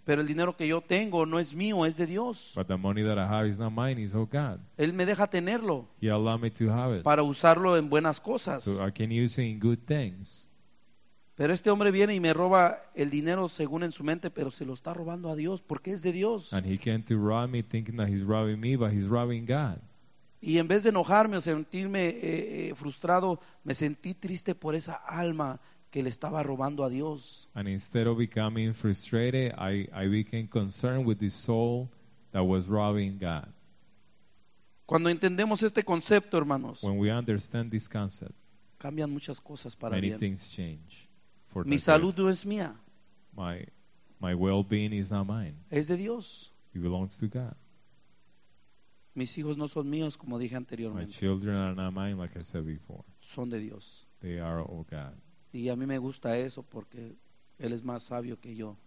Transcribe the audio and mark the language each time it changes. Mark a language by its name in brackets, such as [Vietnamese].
[Spanish] Pero el dinero que yo tengo no es mío, es de Dios. [English] But the money that I have is not mine, it's of God. [Spanish] Él me deja tenerlo. [English] He allowed me to have it. [Spanish] Para usarlo en buenas cosas. [English] So I can use it in good things. [Spanish] Pero este hombre viene y me roba el dinero según en su mente, pero se lo está robando a Dios porque es de Dios. [English] And he came to rob me thinking that he's robbing me, but he's robbing God. [Spanish] Y en vez de enojarme o sentirme frustrado, me sentí triste por esa alma que le estaba robando a Dios. [English] And instead of becoming frustrated, I became concerned with the soul that was robbing God. [Spanish] Cuando entendemos este concepto, hermanos, [English] when we understand this concept, [Spanish] cambian muchas cosas para [English] many [Spanish] bien. [English] Many things change. [Spanish] Mi salud no es mía. [English] My well-being is not mine. [Spanish] Es de Dios. [English] It belongs to God. [Spanish] Mis hijos no son míos, como dije anteriormente. [English] My children are not mine, like I said before. [Spanish] Son de Dios. [English] They are of God. [Spanish] Y a mí me gusta eso porque él es más sabio que yo.